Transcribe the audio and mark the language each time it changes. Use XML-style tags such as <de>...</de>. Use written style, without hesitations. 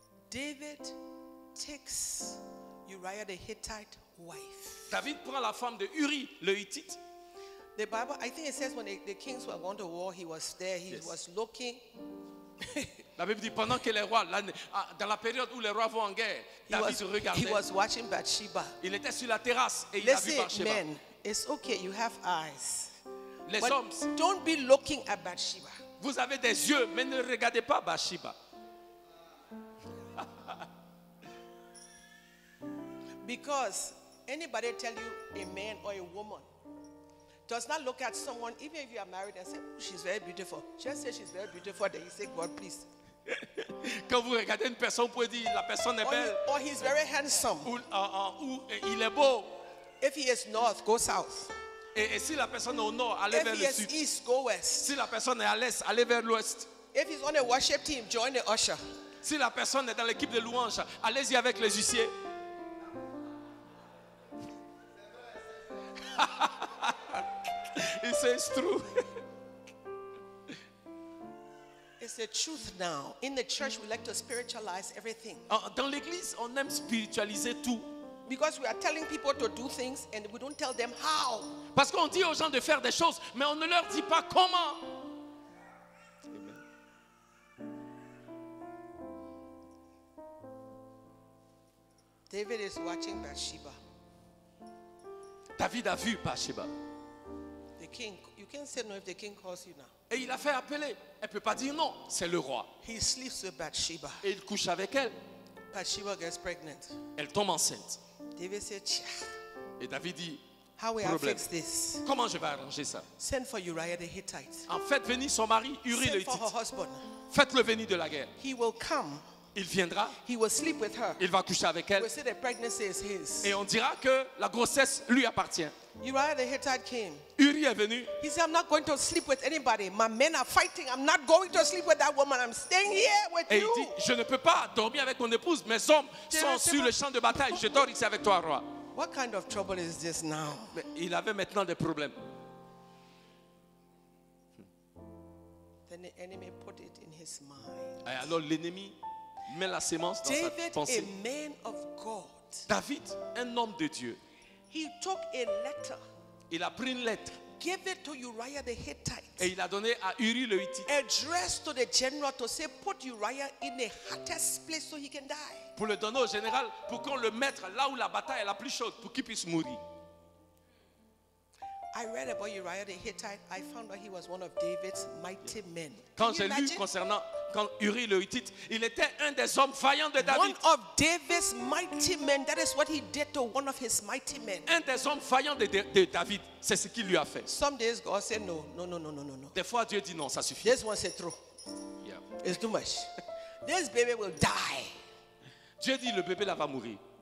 <en>David takes Uriah the Hittite wife.</en> <fr>David prend la femme de Uri, le Hittite.</fr> <en>The Bible, I think it says when the kings were going to war, he was there, he yes. was looking.</en> <fr>La Bible dit pendant que les rois, dans la période où les rois vont en guerre, David regardait.</fr> <en>He was watching Bathsheba.</en> <fr>Il était sur la terrasse et</fr> <en>listen,</en> <fr>il a vu Bathsheba.</fr> <en>Men, it's okay, you have eyes.</en> <fr>Les</fr> <en>but</en> <fr>hommes,</fr> <en>don't be looking at Bathsheba.</en> <fr>Vous avez des yeux, mais ne regardez pas Bathsheba.</fr> <en>Because anybody tell you a man or a woman does not look at someone, even if you are married, and say, she's very beautiful. Just say she's very beautiful, then you say, God, please.</en> <fr>Quand vous regardez une personne, vous pouvez dire, la personne est belle.</fr> <en>Or he's very handsome.</en> <fr>Ou il est beau.</fr> <en>If he is north, go south.</en> <fr>Et si la personne est au nord, allez</fr> <en>if</en> <fr>vers le sud.</fr> <en>If he is east, go west.</en> <fr>Si la personne est à l'est, allez vers l'ouest.</fr> <en>If he's on a worship team, join the usher.</en> <fr>Si la personne est dans l'équipe de louange, allez-y avec les huissiers. Il s'instruit.</fr> <en>It's the truth now. In the church, we like to spiritualize everything.</en> <fr>Dans l'église, on aime spiritualiser tout.</fr> <en>Because we are telling people to do things and we don't tell them how.</en> <fr>Parce qu'on dit aux gens de faire des choses, mais on ne leur dit pas comment.</fr> <en>Amen. David is watching Bathsheba.</en> <fr>David a vu Bathsheba.</fr> <en>The king, you can't say no if the king calls you now.</en> <fr>Et il a fait appeler. Elle ne peut pas dire non, c'est le roi.</fr> <en>He sleeps with Bathsheba.</en> <fr>Et il couche avec elle.</fr> <en>Bathsheba gets pregnant.</en> <fr>Elle tombe enceinte.</fr> <en>David said, tcha.</en> <fr>Et David dit,</fr> <en>how will</en> <fr>problème.</fr> <en>I fix this?</en> <fr>Comment je vais arranger ça?</fr> <en>Send for Uriah the Hittite.</en> <fr>En fait, venir son mari, Uri</fr> <en>Send</en> <fr>le Hittite.</fr> <en>For her husband.</en> <fr>Faites-le venir de la guerre.</fr> <en>He will come.</en> <fr>Il viendra.</fr> <en>He will sleep with her.</en> <fr>Il va coucher avec elle.</fr> <en>We'll say the pregnancy is his.</en> <fr>Et on dira que la grossesse lui appartient.</fr> <en>Uriah the Hittite came.</en> <fr>Uri est venu.</fr> <en>He said, I'm not going to sleep with anybody. My men are fighting. I'm not going to sleep with that woman. I'm staying here with</en> <fr>Et</fr> <en>you.</en> <fr>Et il dit, je ne peux pas dormir avec mon épouse. Mes hommes sont sur le champ de bataille. Je dors ici avec toi, roi.</fr> <en>What kind of trouble is this now?</en> <fr>Mais il avait maintenant des problèmes.</fr> <en>Then the enemy put it in his mind.</en> <fr>Et alors l'ennemi met la sémence dans David, sa pensée.</fr> <en>A man of God.</en> <fr>David, un homme de Dieu.</fr> <en>He took a letter.</en> <fr>Il a pris une lettre.</fr> <en>Give it to Uriah the Hittite.</en> <fr>Et il a donné à Uri le Hittite.</fr> <en>Address to the general to say put Uriah in the hottest place so he can die.</en> <fr>Pour le donner au général pour qu'on le mette là où la bataille est la plus chaude pour qu'il puisse mourir.</fr> <en>I read about Uriah the Hittite. I found out he was one of David's mighty men.</en> <fr>Quand j'ai lu concernant quand Uri le Hittite, il était un des hommes vaillants de David.</fr> <en>One of David's mighty men. That is what he did to one of his mighty men.</en> <fr>Un des hommes vaillants de David, c'est ce qu'il lui a fait.</fr> <en>Some days God said no.</en> <fr>Des fois Dieu dit non, ça suffit.</fr> <en>This one</en> <fr>c'est trop.</fr> <en>Yeah. It's too much. This baby will die.</en> <fr>Dieu dit le bébé là va mourir.</fr>